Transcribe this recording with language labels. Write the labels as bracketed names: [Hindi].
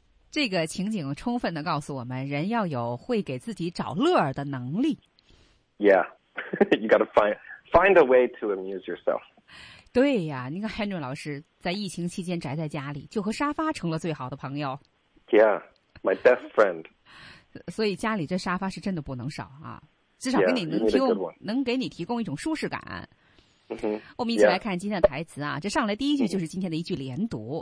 [Chinese] 这个情景充分地告诉我们，人要有会给自己找乐儿的能力。 [English] Yeah, you gotta find a way to amuse yourself. [Chinese] 对呀，那个 Henry 老师在疫情期间宅在家里，就和沙发成了最好的朋友。 [English] Yeah, my best friend. [Chinese] 所以家里这沙发是真的不能少啊，至少给你能给你提供一种舒适感。 Mm-hmm. 我们一起来看今天的台词啊，这上来第一句就是今天的一句连读。